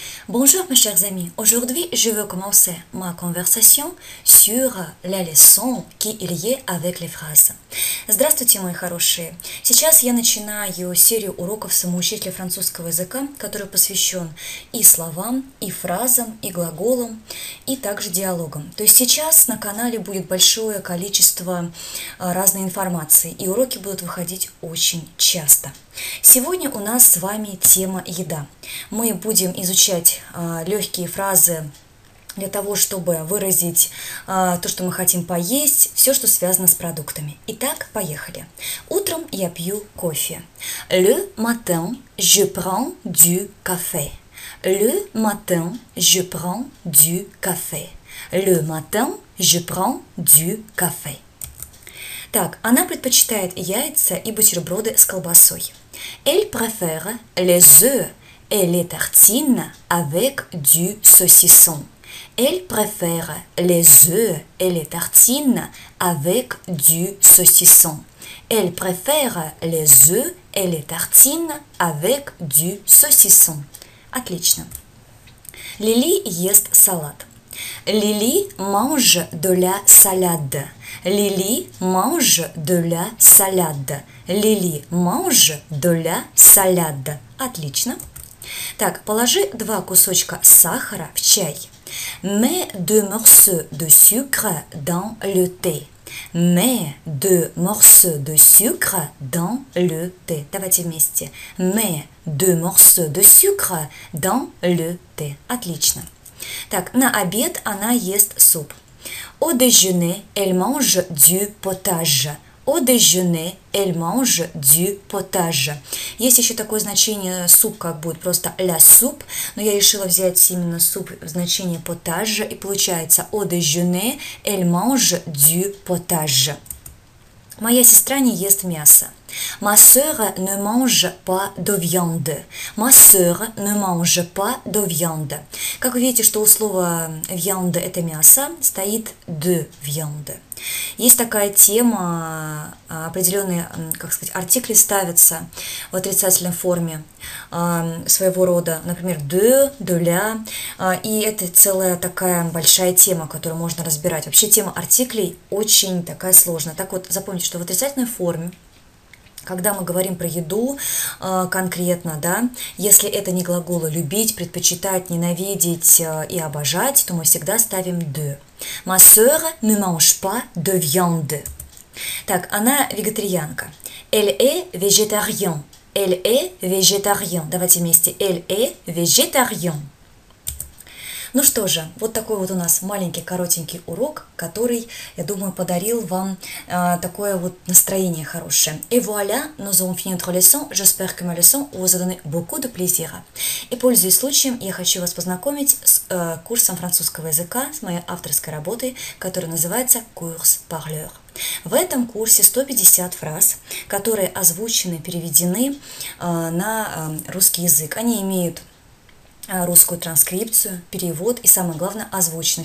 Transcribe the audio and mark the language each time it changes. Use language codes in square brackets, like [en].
[fr] Bonjour mes chers amis, aujourd'hui je veux commencer ma conversation sur les leçons qui sont liées avec les phrases. [ru] Здравствуйте, мои хорошие! Сейчас я начинаю серию уроков самоучителя французского языка, который посвящен и словам, и фразам, и глаголам, и также диалогам. То есть сейчас на канале будет большое количество разной информации, и уроки будут выходить очень часто. Сегодня у нас с вами тема «Еда». Мы будем изучать легкие фразы для того, чтобы выразить то, что мы хотим поесть, все, что связано с продуктами. Итак, поехали. Утром я пью кофе. [fr] Le matin, je prends du café. Le matin, je prends du café. Le matin, je prends du café. [ru] Так, она предпочитает яйца и бутерброды с колбасой. [fr] Elle préfère les œufs et les tartines avec du saucisson. Elle préfère les œufs et les tartines avec du saucisson. Elle préfère les œufs et les tartines avec du saucisson. [ru] Отлично. Лили ест салат. [fr] Лили mange de la salade. Лили mange de la salade. Лили mange de la salade. [ru] Отлично. Так, положи два кусочка сахара в чай. [fr] Mets deux morceaux de sucre dans le thé. Mets deux morceaux de sucre dans le thé. [ru] Давайте вместе. [fr] Mets deux morceaux de sucre dans le thé. [ru] Отлично. Так, на обед она ест суп. [fr] Au déjeuner, elle mange du potage. Au déjeuner, elle mange du potage. [ru] Есть еще такое значение суп, как будет просто la soup, но я решила взять именно суп в значение potage, и получается [fr] au déjeuner, elle mange du potage. [ru] Моя сестра не ест мясо. [fr] Ma sœur ne mange pas de viande. Ma sœur ne mange pas de viande. [ru] Как вы видите, что у слова viande это мясо, стоит de viande. Есть такая тема, определенные, как сказать, артикли ставятся в отрицательной форме своего рода, например, de, de la, и это целая такая большая тема, которую можно разбирать. Вообще тема артиклей очень такая сложная. Так вот, запомните, что в отрицательной форме, когда мы говорим про еду конкретно, да, если это не глаголы «любить», «предпочитать», «ненавидеть» и «обожать», то мы всегда ставим «de». [fr] «Ma sœur ne mange pas de viande». [ru] Так, она вегетарианка. [fr] «Elle est végétarien». «Elle est végétarien». [ru] Давайте вместе. [fr] «Elle est végétarien». [ru] Ну что же, вот такой вот у нас маленький коротенький урок, который, я думаю, подарил вам такое вот настроение хорошее. [fr] Et voilà, nous avons fini notre leçon. J'espère que mes leçons vous ont donné beaucoup de plaisir. [ru] И пользуясь случаем, я хочу вас познакомить с курсом французского языка, с моей авторской работой, которая называется «Курс парлёр». В этом курсе 150 фраз, которые озвучены, переведены на русский язык. Они имеют русскую транскрипцию, перевод и, самое главное, озвучено.